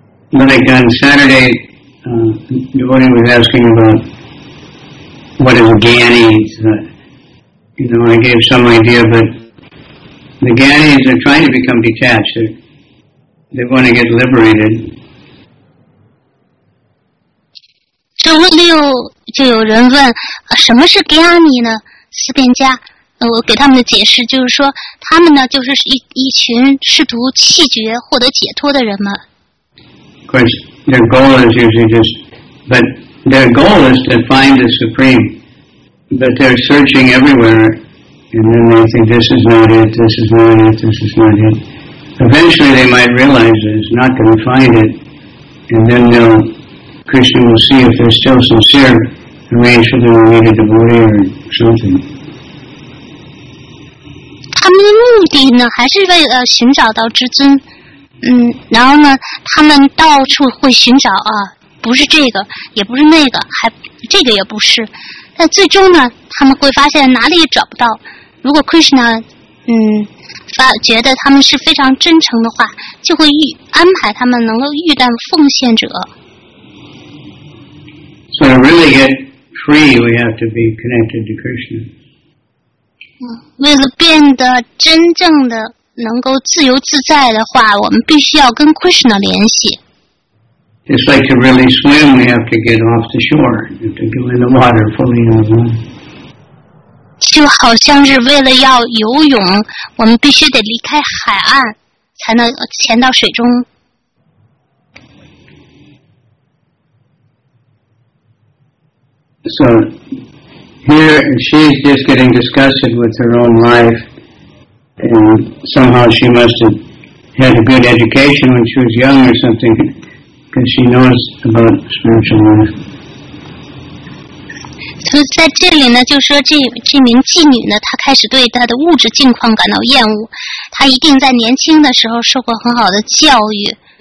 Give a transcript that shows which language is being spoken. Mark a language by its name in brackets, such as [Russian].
[English] Like on Saturday devotee was asking about what is Gyani, you know, I gave some idea, but the Gyanis are trying to become detached, they want to get liberated. [Chinese] 周六就有人问什么是 Gyani 呢，思辨家，我给他们的解释就是说他们呢就是 一群试图弃绝获得解脱的人们。 [English] Of course their goal is usually just, but their goal is to find the Supreme, but they're searching everywhere and then they think this is not it, this is not it, this is not it. Eventually they might realize that it's not going to find it and then they'llKrishna will see if they're still sincere and arrange for them to meet a devotee or something. [Chinese] 他们的目的呢还是为了寻找到至尊，然后呢他们到处会寻找啊，不是这个也不是那个，还这个也不是，但最终呢他们会发现哪里也找不到，如果 Krishna 觉得他们是非常真诚的话，就会安排他们能够遇到奉献者。 [English] So to really get free, we have to be connected to Krishna. [Chinese] 为了变得真正的能够自由自在的话，我们必须要跟 Krishna 联系。 [English] It's like to really swim, we have to get off the shore. You have to go in the water, fully in the water. [Chinese] 就好像是为了要游泳，我们必须得离开海岸，才能潜到水中。 [English] So here she's just getting disgusted with her own life, and somehow she must have had a good education when she was young or something, because she knows about spiritual life. [Chinese] So 在这里呢，就说这名妓女呢，她开始对她的物质境况感到厌恶，她一定在年轻的时候受过很好的教育。